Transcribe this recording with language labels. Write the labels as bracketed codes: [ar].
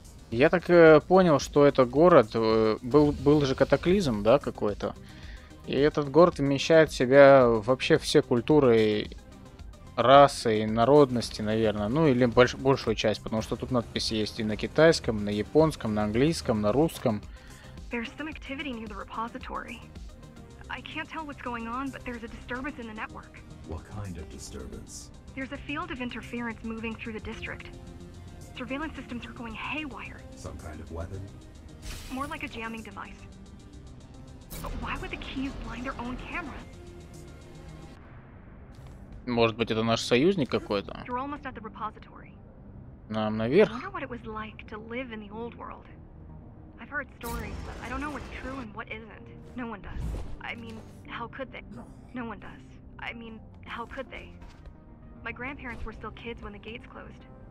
[ru] Я так понял, что это город, был же катаклизм, да, какой-то. И этот город вмещает в себя вообще все культуры, расы и народности, наверное. Ну или большую часть, потому что тут надписи есть и на китайском, и на японском, и на английском, и на русском. [en] There's some activity near the repository. I can't tell what's going on, but there's a disturbance in the network. What kind of disturbance? There's a field of interference moving through the district. Surveillance systems are going haywire. Some kind of weapon? More like a jamming device. But why would the keys blind their own cameras? [ru] Может быть, это наш союзник какой-то? [en] They're almost at the repository. [ru] Нам наверх. [en] I wonder what it was like to live in the old world. I've heard stories, but I don't know what's true and what isn't. No one does. I mean, how could they? No one does. I mean, how could they? My grandparents were still kids when the gates closed.